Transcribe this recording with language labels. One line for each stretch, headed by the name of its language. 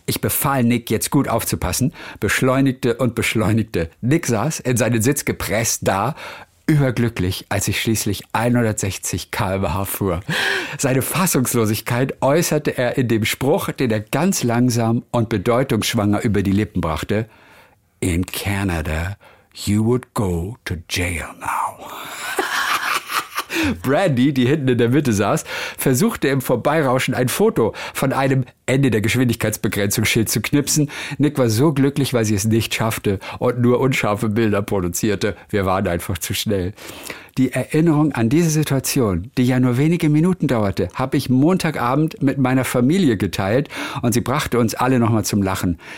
German: Ich befahl Nick, jetzt gut aufzupassen, beschleunigte. Nick saß in seinen Sitz gepresst da, überglücklich, als ich schließlich 160 km/h fuhr. Seine Fassungslosigkeit äußerte er in dem Spruch, den er ganz langsam und bedeutungsschwanger über die Lippen brachte.
English: In Canada, you would go to jail now.
German: Brandy, die hinten in der Mitte saß, versuchte im Vorbeirauschen ein Foto von einem Ende der Geschwindigkeitsbegrenzungsschild zu knipsen. Nick war so glücklich, weil sie es nicht schaffte und nur unscharfe Bilder produzierte. Wir waren einfach zu schnell. Die Erinnerung an diese Situation, die ja nur wenige Minuten dauerte, habe ich Montagabend mit meiner Familie geteilt und sie brachte uns alle nochmal zum Lachen.